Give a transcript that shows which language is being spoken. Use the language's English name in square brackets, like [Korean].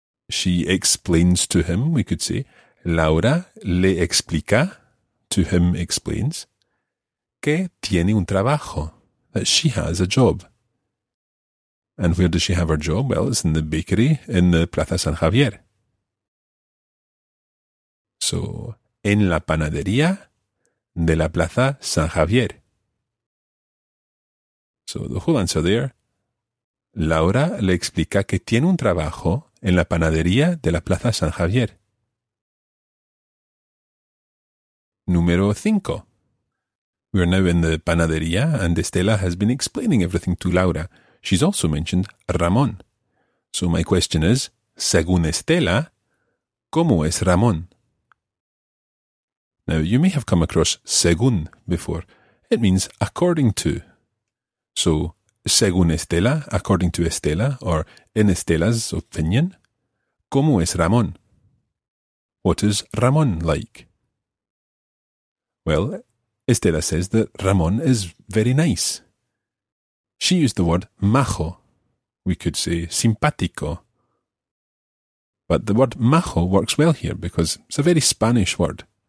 [English] She explains to him, we could say, [Spanish] Laura le explica, [English] to him explains, [Spanish] que tiene un trabajo, [English] that she has a job. And where does she have her job? Well, it's in the bakery in the Plaza San Javier. [Spanish] So, en la panadería de la Plaza San Javier. [English] So, the whole answer there. [Spanish] Laura le explica que tiene un trabajo en la panadería de la Plaza San Javier. Número 5. [English] We are now in the panadería and Estela has been explaining everything to Laura. She's also mentioned Ramón. So my question is, [Spanish] según Estela, ¿cómo es Ramón? [English] Now you may have come across según before. It means according to. So, [Spanish] según Estela, [English] according to Estela, or en Estela's opinion, [Spanish] ¿cómo es Ramón? [English] What is Ramón like? Well, Estela says that Ramón is very nice. She used the word majo. We could say simpático. But the word majo works well here because it's a very Spanish word.